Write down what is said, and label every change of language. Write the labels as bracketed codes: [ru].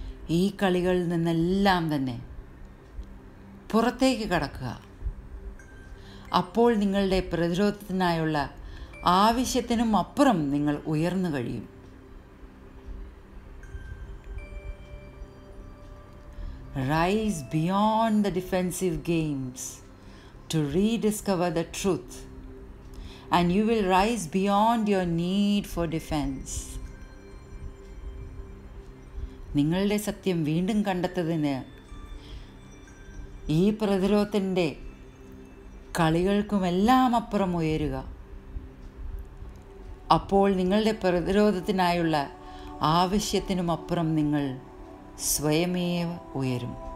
[ml] ഈ കളികളിൽ നിന്നെല്ലാം തന്നെ പുറത്തേക്ക് കടക്കുക. അപ്പോൾ നിങ്ങളുടെ പ്രതിരോധത്തിനായുള്ള ആവശ്യത്തിനും അപ്പുറം നിങ്ങൾ ഉയർന്നു കഴിയും. [en] Rise beyond the defensive games to rediscover the truth, and you will rise beyond your need for defense. [ml] നിങ്ങളുടെ സത്യം വീണ്ടും കണ്ടെത്തുന്നതിന് ഈ പ്രതിരോധത്തിൻ്റെ കളികൾക്കുമെല്ലാം അപ്പുറം ഉയരുക. അപ്പോൾ നിങ്ങളുടെ പ്രതിരോധത്തിനായുള്ള ആവശ്യത്തിനും അപ്പുറം നിങ്ങൾ സ്വയമേവ ഉയരും.